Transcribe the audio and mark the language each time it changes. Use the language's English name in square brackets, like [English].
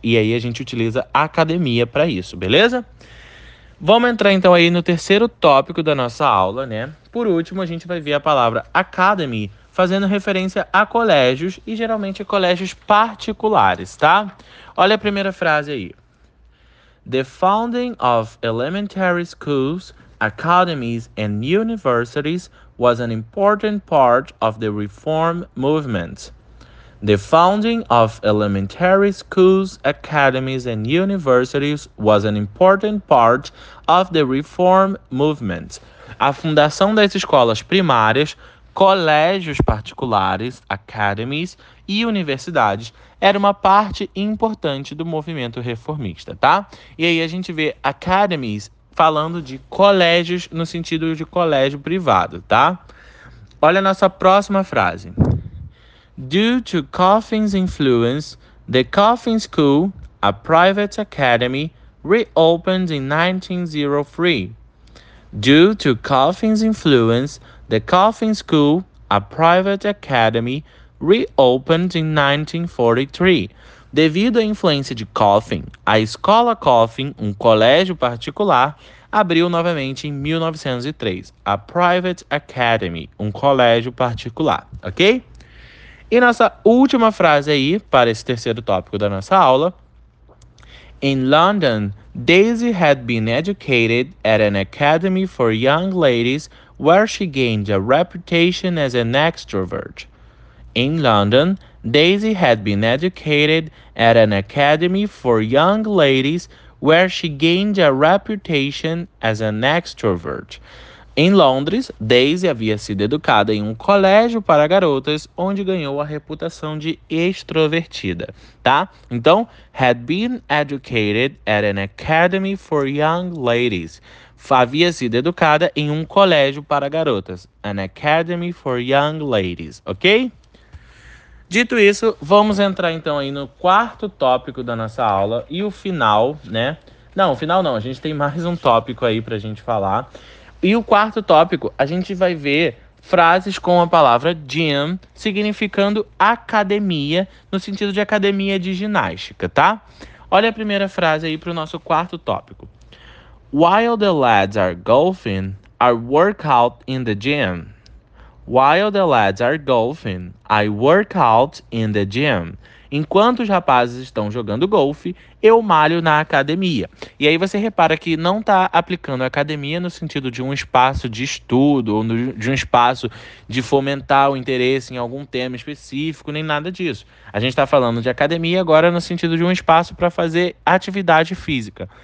[Portuguese] E aí a gente utiliza a academia para isso, beleza? Vamos entrar então aí no terceiro tópico da nossa aula, né? Por último, a gente vai ver a palavra academy fazendo referência a colégios e geralmente a colégios particulares, tá? Olha a primeira frase aí. [English] The founding of elementary schools, academies, and universities was an important part of the reform movement. The founding of elementary schools, academies, and universities was an important part of the reform movement. [Portuguese] A fundação das escolas primárias, colégios particulares, academies, e universidades era uma parte importante do movimento reformista, tá? E aí a gente vê academies falando de colégios no sentido de colégio privado, tá? Olha a nossa próxima frase. [English] Due to Coffin's influence, the Coffin School, a private academy, reopened in 1903. Due to Coffin's influence, the Coffin School, a private academy, reopened in 1943. [Portuguese] Devido à influência de Coffin, a escola Coffin, um colégio particular, abriu novamente em 1903. [English] A private academy, [Portuguese] um colégio particular, ok? E nossa última frase aí para esse terceiro tópico da nossa aula. [English] In London, Daisy had been educated at an academy for young ladies where she gained a reputation as an extrovert. In London, Daisy had been educated at an academy for young ladies where she gained a reputation as an extrovert. [Portuguese] Em Londres, Daisy havia sido educada em um colégio para garotas onde ganhou a reputação de extrovertida, tá? [English] Então, had been educated at an academy for young ladies. [Portuguese] Havia sido educada em um colégio para garotas. [English] An academy for young ladies, [Portuguese] ok? Dito isso, vamos entrar então aí no quarto tópico da nossa aula e o final, né? Não, o final não, a gente tem mais um tópico aí pra gente falar. E o quarto tópico, a gente vai ver frases com a palavra gym significando academia, no sentido de academia de ginástica, tá? Olha a primeira frase aí pro nosso quarto tópico. [English] While the lads are golfing, I work out in the gym. While the lads are golfing, I work out in the gym. [Portuguese] Enquanto os rapazes estão jogando golfe, eu malho na academia. E aí você repara que não está aplicando academia no sentido de um espaço de estudo ou de um espaço de fomentar o interesse em algum tema específico, nem nada disso. A gente está falando de academia agora no sentido de um espaço para fazer atividade física.